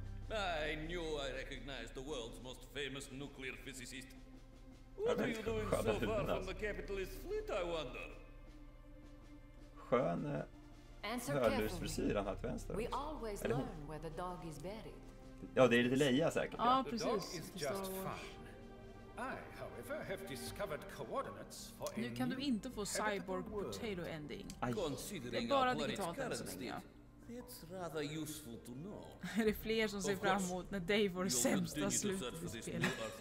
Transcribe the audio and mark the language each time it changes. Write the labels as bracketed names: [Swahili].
[English] I knew I recognized the world's most famous nuclear physicist. What are you doing so far from the capitalist fleet, I wonder? [Swedish] Skön hörlursfrisyr han har till vänster. [English] We always learn where the dog is buried. [Swedish] Ja, det är lite Leia säkert. Ja, precis. [English] The dog is just fine. I, however, have discovered coordinates for a... [Swedish] Nu kan du inte få cyborg potato ending. Aj. Det är bara digitalt än så länge. [English] It's rather useful to know. [Swedish] Är det fler som ser fram emot när Davors sämsta slutet i spelet?